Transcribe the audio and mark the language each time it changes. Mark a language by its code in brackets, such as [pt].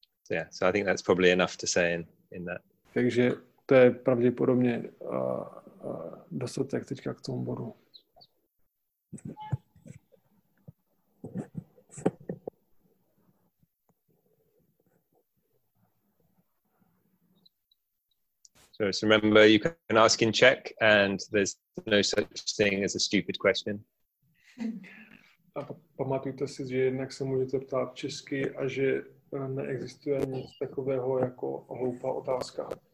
[en] Yeah, so I think that's probably enough to say in that. [cs] Takže to je pravděpodobně dostatek teďka k tomu bodu. [en] So just remember, you can ask in Czech, and there's no such thing as a stupid question. [cs] Pamatujte si, že jednak se můžete ptát česky a že neexistuje nic takového jako hloupá otázka.